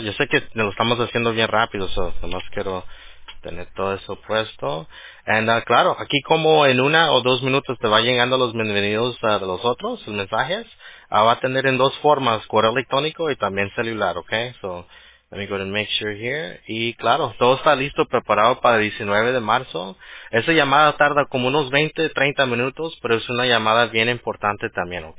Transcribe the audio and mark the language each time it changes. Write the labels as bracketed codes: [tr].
[es] Yo sé que lo estamos haciendo bien rápido, eso. Nada más quiero tener todo eso puesto. And, claro, aquí como en 1 o 2 minutos te van llegando los bienvenidos de los otros, los mensajes. Va a tener en 2 formas, correo electrónico y también celular, okay. [en] So, let me go ahead and make sure here. [es] Y claro, todo está listo, preparado para el 19 de marzo. Esa llamada tarda como unos 20, 30 minutos, pero es una llamada bien importante también, ¿ok?